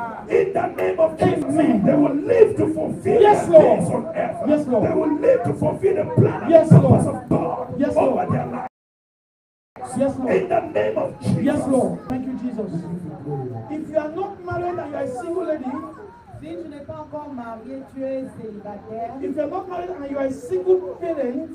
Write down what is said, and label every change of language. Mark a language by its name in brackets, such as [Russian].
[English] In the name of Jesus, amen. They will live to fulfill, yes, their days on earth. Yes, Lord. They will live to fulfill the plan and, yes, purpose, Lord, of God, yes, over, Lord, their life. Yes, Lord. In the name of Jesus. Yes, Lord. Thank you, Jesus. If you are not married and you are a single lady, [French] si tu n'es pas encore marié, tu es célibataire. [English] If you are not married and you are a single parent,